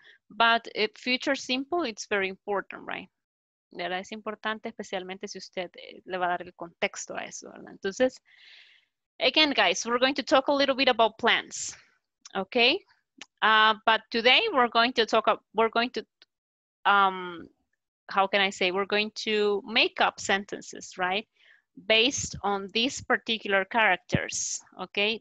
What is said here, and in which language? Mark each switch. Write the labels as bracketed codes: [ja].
[en] But it, future simple, it's very important, right? [es] ¿Verdad? Es importante, especialmente si usted le va a dar el contexto a eso, ¿verdad? [en] Entonces, again, guys, we're going to talk a little bit about plans, okay? But today we're going to talk, we're going to make up sentences, right? Based on these particular characters, okay?